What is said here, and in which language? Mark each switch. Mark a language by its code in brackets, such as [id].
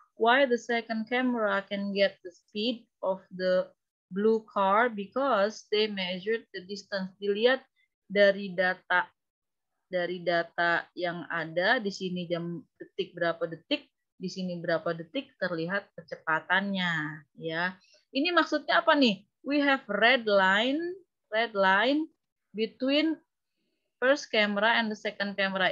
[en] Why the second camera can get the speed of the blue car? Because they measured the distance. [id] Dilihat dari data yang ada di sini, jam detik berapa detik, di sini berapa detik, terlihat kecepatannya, ya. ini maksudnya apa nih? [en] We have red line between first camera and the second camera.